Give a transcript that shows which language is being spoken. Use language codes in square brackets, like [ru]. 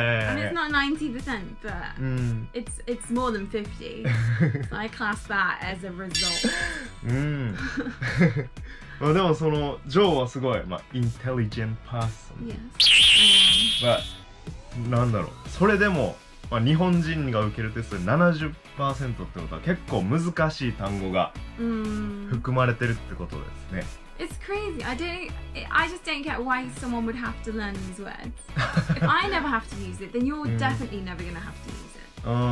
[en] And it's not 90%, but it's more than 50. So I class that as a result. [ja] まあでもそのジョーはすごい、まあ、 [en] intelligent person. Yes. [ja] But,なんだろう、それでも、まあ、日本人が受けるテスト 70% ってことは結構難しい単語が含まれてるってことですね。 [en] It's crazy. I just don't get why someone would have to learn these words. If I never have to use it, then you're definitely never gonna have to use it.